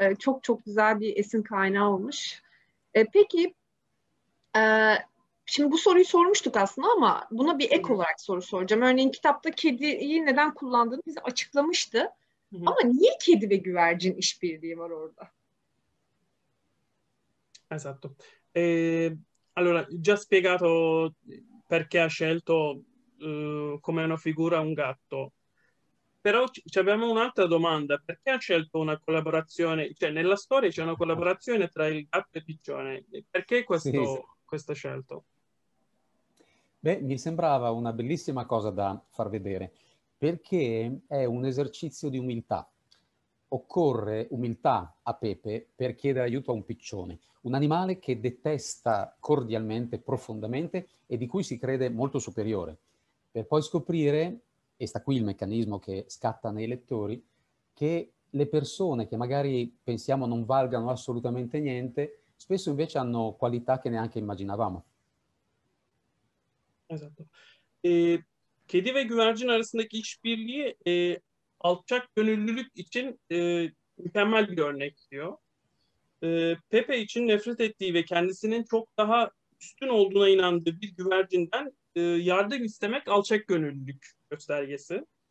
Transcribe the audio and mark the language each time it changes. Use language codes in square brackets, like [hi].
[tr] Çok çok güzel bir esin kaynağı olmuş. Peki şimdi bu soruyu sormuştuk aslında ama buna bir ek olarak soru soracağım. Örneğin kitapta kediyi neden kullandığını bize açıklamıştı. Ama niye kedi ve güvercin işbirliği var orada? [it] Esatto. Allora, già spiegato perché ha scelto come una figura un gatto. Però ci abbiamo un'altra domanda: perché ha scelto una collaborazione? Cioè, nella storia c'è una collaborazione tra il gatto e il piccione. Perché Sì. questa scelta? Beh, mi sembrava una bellissima cosa da far vedere, perché è un esercizio di umiltà. Occorre umiltà a Pepe per chiedere aiuto a un piccione, un animale che detesta cordialmente, profondamente e di cui si crede molto superiore, per poi scoprire, e sta qui il meccanismo che scatta nei lettori, che le persone che magari pensiamo non valgano assolutamente niente, spesso invece hanno qualità che neanche immaginavamo. Esatto. [tr] Kedi ve güvercin arasındaki işbirliği alçak gönüllülük için mükemmel bir örnek diyor. Pepe için nefret ettiği ve kendisinin çok daha üstün olduğuna inandığı bir güvercinden yardım istemek alçak gönüllülük göstergesi.